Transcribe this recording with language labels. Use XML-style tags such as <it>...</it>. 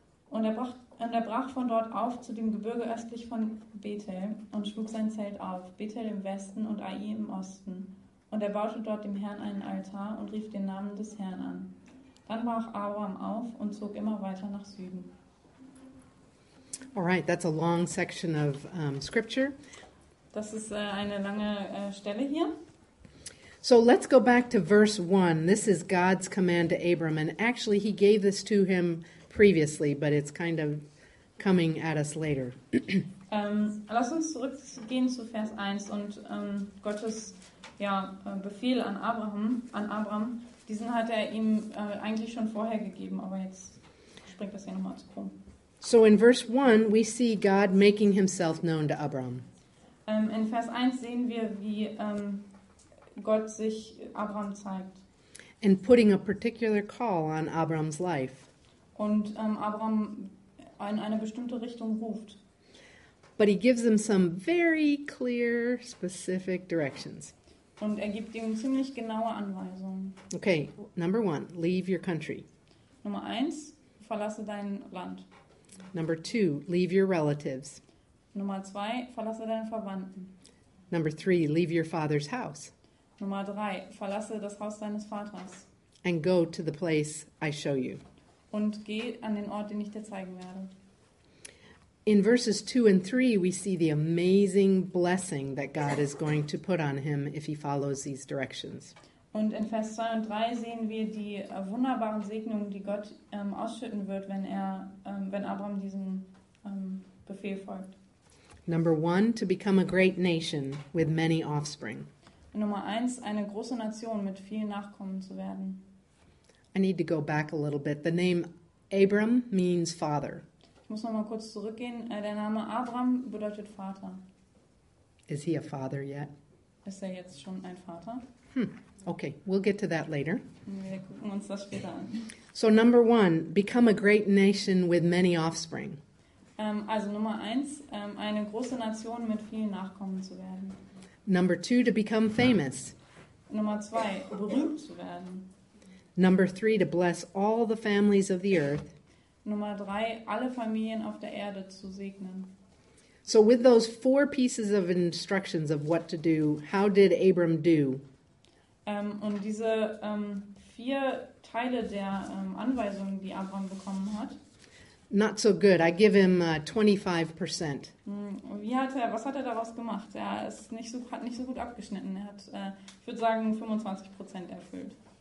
<de>Und er brach von dort auf zu dem Gebirge östlich von Bethel und schlug sein Zelt auf, Bethel im Westen und Ai im Osten. Und er baute dort dem Herrn einen Altar und rief den Namen des Herrn an. Dann brach Abram auf und zog immer weiter nach Süden.</de> <en>All right, that's a long section of scripture.</en> <de>Das ist eine lange Stelle hier.</de> <en>So let's go back to verse 1. This is God's command to Abram. And actually, he gave this to him previously, but it's kind of coming at us later.</en> <de>Lass uns zurückgehen zu Vers 1 und Gottes Befehl an Abraham. Diesen hat er ihm eigentlich schon vorher gegeben, aber jetzt springt das hier nochmal zu kommen.</de> <en>So in verse 1, we see God making himself known to Abraham.</en> <de>In Vers 1 sehen wir, wie Gott sich Abraham zeigt.</de> <en>And putting a particular call on Abraham's life.</en> <de>Und Abraham in eine bestimmte Richtung ruft.</de> <en>But he gives him some very clear, specific directions.</en> <de>Und er gibt ihm ziemlich genaue Anweisungen.</de> <en>Okay, number one, leave your country.</en> <de>Nummer 1, verlasse dein Land.</de> <en>Number 2, leave your relatives.</en> <de>Nummer 2, verlasse deine Verwandten.</de> <en>Number 3, leave your father's house.</en> <de>Nummer 3, verlasse das Haus deines Vaters.</de> <en>And go to the place I show you.</en> <de>Und geh an den Ort, den ich dir zeigen werde.</de> <en>In verses 2 and 3, we see the amazing blessing that God is going to put on him if he follows these directions.</en> <de>Und in Vers 2 und 3 sehen wir die wunderbaren Segnungen, die Gott ausschütten wird, wenn wenn Abraham diesem Befehl folgt.</de> <en>Number 1, to become a great nation with many offspring.</en> <de>Nummer 1, eine große Nation mit vielen Nachkommen zu werden.</de> <en>I need to go back a little bit. The name Abram means father.</en> <de>Ich muss noch mal kurz zurückgehen. Der Name Abram bedeutet Vater.</de> <en>Is he a father yet?</en> <de>Ist er jetzt schon ein Vater?</de> <en>Okay, we'll get to that later.</en> <de>Wir gucken uns das später an.</de> <en>So number 1, become a great nation with many offspring.</en> <de>Also Nummer eins, eine große Nation mit vielen Nachkommen zu werden.</de> <en>Number two, to become famous.</en> <de>Nummer zwei, berühmt zu werden.</de> <en>Number three, to bless all the families of the earth.</en> <de>Nummer drei, alle Familien auf der Erde zu segnen.</de> <en>So with those four pieces of instructions of what to do, how did Abram do?</en> <de>Und diese vier Teile der Anweisungen, die Abram bekommen hat,</de> <en>not so good. I give him 25%.</en> <de>Was hat er daraus gemacht? Er ist hat nicht so gut abgeschnitten. Er hat, ich würde sagen, 25% erfüllt.</de>